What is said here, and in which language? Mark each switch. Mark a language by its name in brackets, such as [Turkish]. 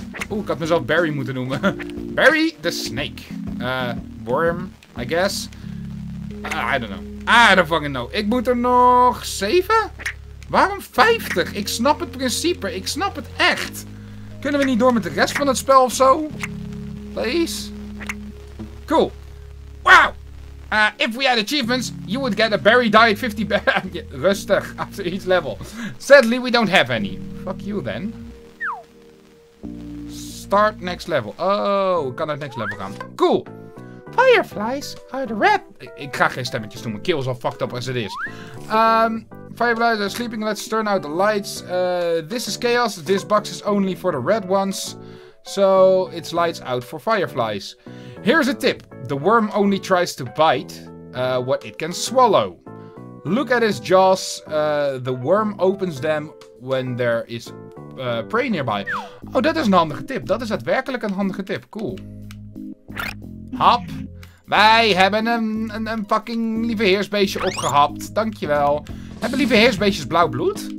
[Dutch] Oeh, ik had mezelf Barry moeten noemen. [English] Barry the snake. Worm, I guess. I don't know. I don't fucking know. [Dutch] Ik moet er nog 7? Waarom 50? Ik snap het principe. Ik snap het echt. Kunnen we niet door met de rest van het spel of zo? [English] Please? Cool. Wow! If we had achievements, you would get a berry diet 50 berry. Rustig, after each level. Sadly, we don't have any. Fuck you then. Start next level. [Dutch] Oh, ik kan naar het next level gaan. [English] Cool. Fireflies are the red. [Dutch] Ik ga geen stemmetjes doen. Mijn keel is al [English] fucked up as it is. Fireflies are sleeping. Let's turn out the lights. This is chaos. This box is only for the red ones. So, it's lights out for fireflies. Here's a tip. The worm only tries to bite what it can swallow. Look at his jaws. The worm opens them when there is prey nearby. [Dutch] Oh, dat is een handige tip. Dat is daadwerkelijk een handige tip. Cool. Hap. Wij hebben een fucking lieve heersbeestje opgehapt. Dankjewel. Hebben lieve heersbeestjes blauw bloed?